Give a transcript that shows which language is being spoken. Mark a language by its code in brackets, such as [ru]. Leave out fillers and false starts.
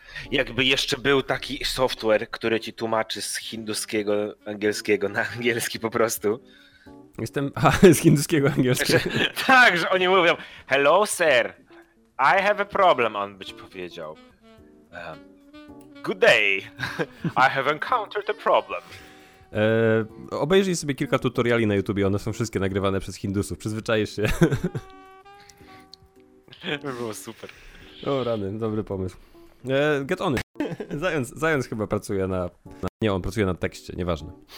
[pl] Jakby jeszcze był taki software, który ci tłumaczy z hinduskiego angielskiego na angielski po prostu. Z hinduskiego angielskiego. Tak, że oni mówią, [en] hello sir, I have a problem, [pl] on by ci powiedział. [en] Good day, I have encountered a problem. [pl] Obejrzyj sobie kilka tutoriali na YouTubie, one są wszystkie nagrywane przez hindusów, przyzwyczajesz się. By było super. O rany, dobry pomysł. [en] Get on it. [pl] Zając chyba pracuje on pracuje na tekście, nieważne.